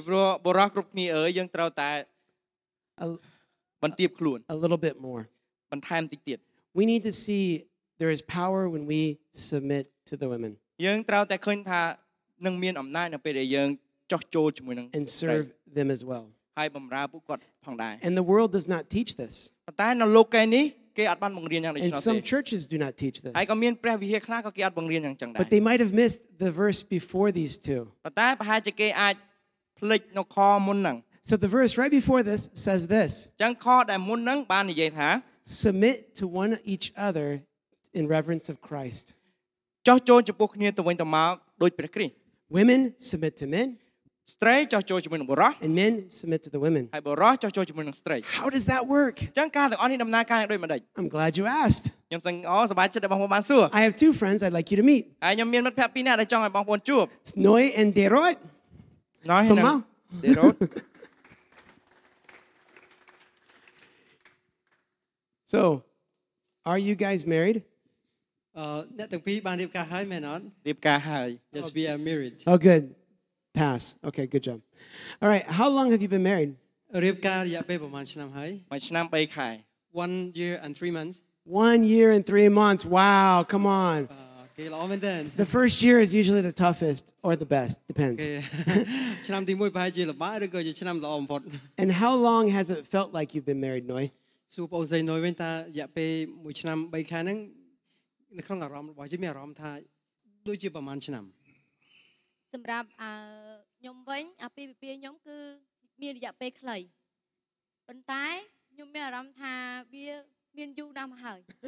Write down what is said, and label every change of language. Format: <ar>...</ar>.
<km>ព្រោះបរោះគ្រប់គ្នាអើយយើងត្រូវតែបន្ទាបខ្លួន</km> <en>A little bit more.</en> <km>បន្ថែមតិចទៀត</km> <en>We need to see there is power when we submit to the women.</en> <km>យើងត្រូវតែឃើញថានឹងមានអំណាចនៅពេលដែលយើងចោះចូលជាមួយនឹង</km> <en>And serve them as well.</en> <km>ហើយបម្រើពួកគាត់ផងដែរ</km> <en>And the world does not teach this.</en> <km>ប៉ុន្តែនៅលោកនេះគេអត់បានបង្រៀនយ៉ាងដូចនោះទេ</km> <en>And some churches do not teach this.</en> <km>ហើយក៏មានព្រះវិហារខ្លះក៏គេអត់បង្រៀនយ៉ាងចឹងដែរ</km> <en>But they might have missed the verse before these two.</en> <km>ប៉ុន្តែប្រហែលជាគេអាចភ្លេចនៅខមុនហ្នឹង</km> <en>So the verse right before this says this.</en> <km>ចឹងខដែលមុនហ្នឹងបាននិយាយថា</km> <en>Submit to one each other in reverence of Christ.</en> <km>ចោះចូលចំពោះគ្នាទៅវិញទៅមកដូចព្រះគ្រីស្ទ</km> <en>Women submit to men.</en> <km>ស្រីចោះចូលជាមួយនឹងបុរស</km> <en>And men submit to the women.</en> <km>ហើយបុរសចោះចូលជាមួយនឹងស្រី</km> <en>How does that work?</en> <km>ចឹងការទាំងអស់នេះដំណើរការយ៉ាងដូចម្ដេច</km> <en>I'm glad you asked.</en> <km>ខ្ញុំសង្អល់សប្បាយចិត្តដែលបងប្អូនបានសួរ</km> <en>I have two friends I'd like you to meet.</en> <km>ហើយខ្ញុំមានមិត្តភក្តិពីរនាក់ដែលចង់ឲ្យបងប្អូនជួប</km> <en>Noi and Derot. Noi and Derot. So, are you guys married?</en> <km>អ្នកទាំងពីរបានរៀបការហើយមែនអត់រៀបការហើយ</km> <en>Yes, we are married. Oh, good. Pass. Okay, good job. All right, how long have you been married?</en> <km>រៀបការរយៈពេលប្រហែលឆ្នាំហើយ មួយឆ្នាំ3ខែ</km> <en>1 year and 3 months. 1 year and 3 months. Wow, come on. Okay, long and then. The first year is usually the toughest or the best, depends.</en> <km>ឆ្នាំទី1ប្រហែលជាលំបាកឬក៏ជាឆ្នាំល្អបំផុត</km> <en>And how long has it felt like you've been married, Noi?</en> <km>សួរបងស្រី Noi វិញតារយៈពេល1ឆ្នាំ3ខែហ្នឹងនៅក្នុងអារម្មណ៍របស់ជាមានអារម្មណ៍ថាដូចជាប្រហែលឆ្នាំ សម្រាប់អើខ្ញុំវិញអាពីពីខ្ញុំគឺមានរយៈពេលខ្លីប៉ុន្តែខ្ញុំមានអារម្មណ៍ថាវាមានយូរណាស់មកហើយ</km>